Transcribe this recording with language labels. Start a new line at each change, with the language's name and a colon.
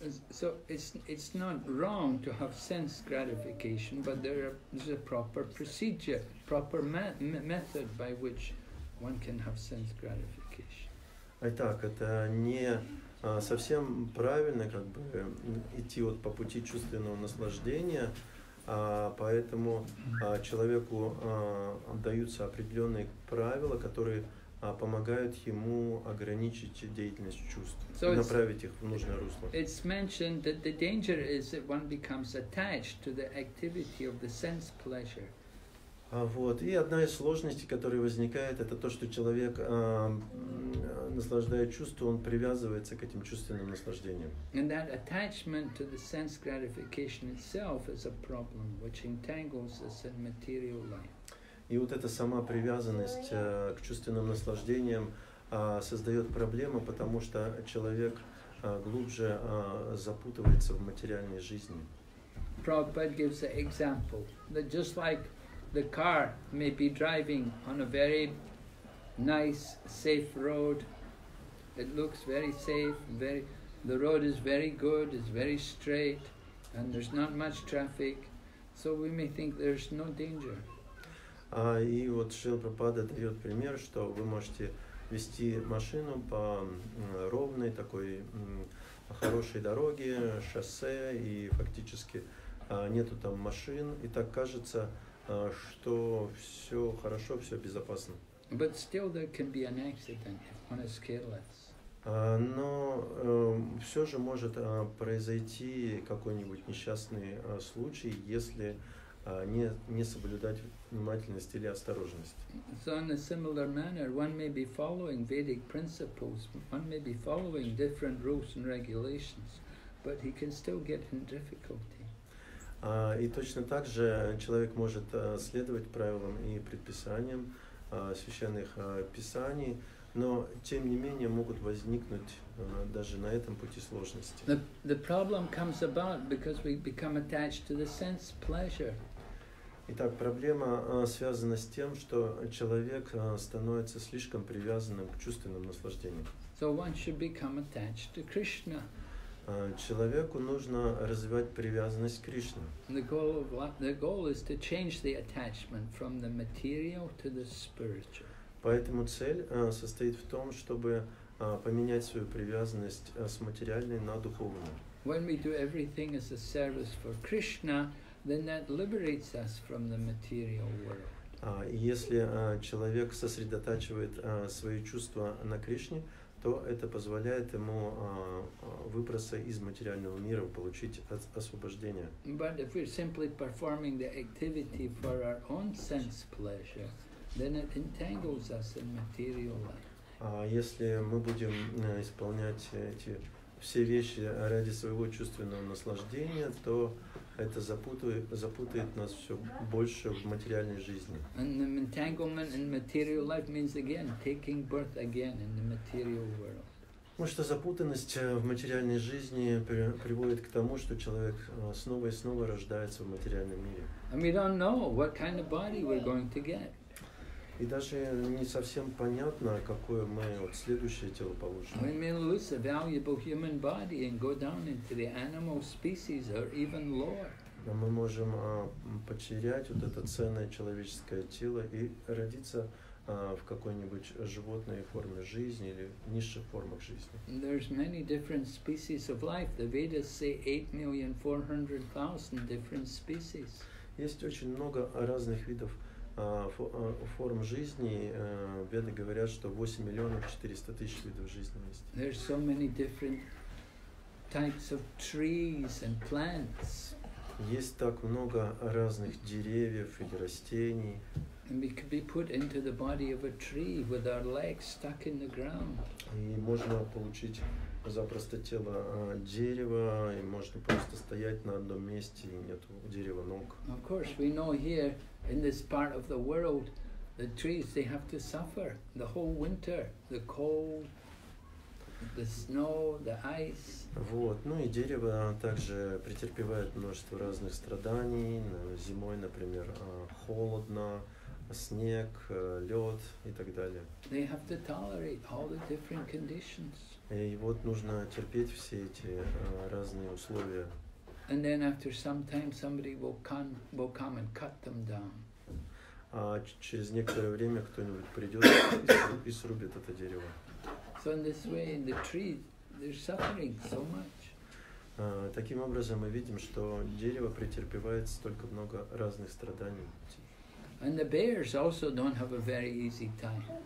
English: So it's not wrong to have sense gratification, but there's a proper procedure, proper method by which one can have sense gratification.
Russian: Итак, это не совсем правильно идти по пути чувственного наслаждения, поэтому человеку даются определенные правила, которые помогают ему ограничить деятельность чувств, so направить их в нужное русло.
English: It's mentioned that the danger is that one becomes attached to the activity of the sense pleasure.
Russian: И одна из сложностей, которая возникает, это то, что человек, наслаждая чувства, он привязывается к этим чувственным наслаждениям.
English: And that attachment to the sense gratification itself is a problem, which entangles us in material life.
Russian: И вот эта сама привязанность к чувственным наслаждениям создает проблемы, потому что человек глубже запутывается в материальной жизни.
English: Prabhupada gives an example that just like the car may be driving on a very nice, safe road, it looks very safe, the road is very good, it's very straight, and there's not much traffic, so we may think there's no danger.
Russian: И вот Шрила Прабхупада дает пример, что вы можете вести машину по ровной такой хорошей дороге, шоссе, и фактически нету там машин, и так кажется, что все хорошо, все безопасно.
English: But still there can be an accident if one is careless.
Russian: Но все же может произойти какой-нибудь несчастный случай, если не соблюдать внимательность или осторожность.
English: So in a similar manner, one may be following Vedic principles, one may be following different rules and regulations, but he can still get in difficulty.
Russian: И точно так же человек может следовать правилам и предписаниям священных писаний, но тем не менее могут возникнуть даже на этом пути сложности.
English: The problem comes about because we become attached to the sense pleasure.
Russian: Итак, проблема связана с тем, что человек становится слишком привязанным к чувственным наслаждениям.
English: So one should become attached to Krishna.
Russian: Человеку нужно развивать привязанность к Кришне.
English: The goal is to change the attachment from the material to the spiritual.
Russian: Поэтому цель состоит в том, чтобы поменять свою привязанность с материальной на духовную.
English: When we do everything as a service for Krishna, then that liberates us from the material world.
Russian: Если человек сосредотачивает свои чувства на Кришне, то это позволяет ему выбраться из материального мира, получить освобождение.
English: But if we're simply performing the activity for our own sense pleasure, then it entangles us in material life.
Russian: Если мы будем исполнять эти все вещи ради своего чувственного наслаждения, то это запутает нас все больше в материальной жизни.
English: And the entanglement in material life means again taking birth again in the material world.
Russian: Потому что запутанность в материальной жизни приводит к тому, что человек снова и снова рождается в материальном мире.
English: And we don't know what kind of body we're going to get.
Russian: И даже не совсем понятно, какое мы вот следующее тело получим.
English: We may lose a valuable human body and go down into the animal species or even lower.
Russian: Мы можем потерять вот это ценное человеческое тело и родиться в какой-нибудь животной форме жизни или низших формах жизни.
English: There's many different species of life. The Vedas say 8,400,000 different species.
Russian: Есть очень много разных видов форм жизни. Веды говорят, что 8,400,000 видов жизни есть.
English: There's so many different types of trees and plants.
Russian: Есть так много разных деревьев или растений.
English: And we could be put into the body of a tree with our legs stuck in the ground.
Russian: И можно получить запросто тело дерева, и можно просто стоять на одном месте, и нет дерева ног.
English: Of course, we know here in this part of the world, the trees, they have to suffer the whole winter, the cold, the snow, the ice.
Russian: Вот, ну и дерево также претерпевает множество разных страданий. Зимой, например, холодно, снег, лед и так далее.
English: They have to tolerate all the different conditions.
Russian: И вот нужно терпеть все эти разные условия.
English: And then after some time, somebody will come and cut them down.
Russian: Через некоторое время кто-нибудь придет и срубит это дерево.
English: So in this way, in the tree, they're suffering so much.
Russian: Таким образом, мы видим, что дерево претерпевает столько много разных страданий.
English: And the bears also don't have a very easy time.